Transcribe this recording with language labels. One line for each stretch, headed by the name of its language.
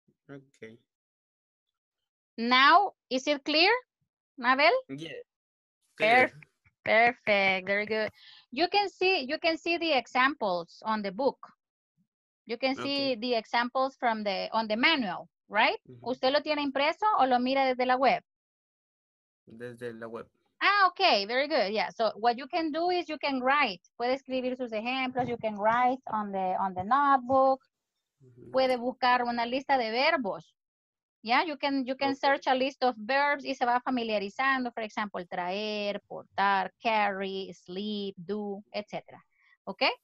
English: Okay. Now, is it clear? Mabel? Yeah. Perfect. Very good. You can see the examples on the book. You can see the examples from the on the manual, right? Mm-hmm.
Spanish: ¿Usted lo tiene impreso o lo mira desde la web? Desde la web.
English: Ah, okay. Very good. Yeah. So what you can do is you can write.
Spanish: Puede escribir sus ejemplos.
English: You can write on the notebook. Mm-hmm.
Spanish: Puede buscar una lista de verbos.
English: Yeah, you can search a list of verbs
Spanish: y se va familiarizando,
English: for example,
Spanish: traer, portar,
English: carry, sleep, do, etc. Okay?